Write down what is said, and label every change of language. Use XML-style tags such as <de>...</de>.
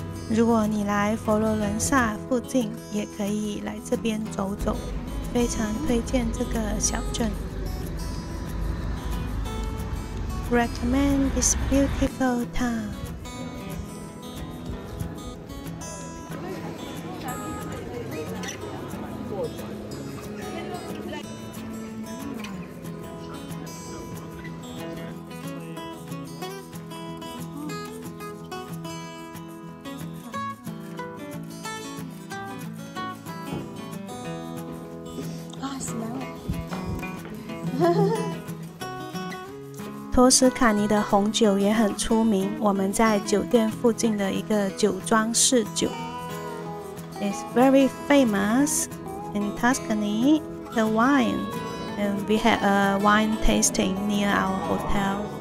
<zh>如果你来佛罗伦萨附近，也可以来这边走走，非常推荐这个小镇。</zh> <en>Recommend this beautiful town. Ah, smell it.</en> <zh>托斯卡尼的红酒也很出名，我们在酒店附近的一个酒庄试酒。</zh> <en>It's very famous in Tuscany, the wine. And we had a wine tasting near our hotel.</en>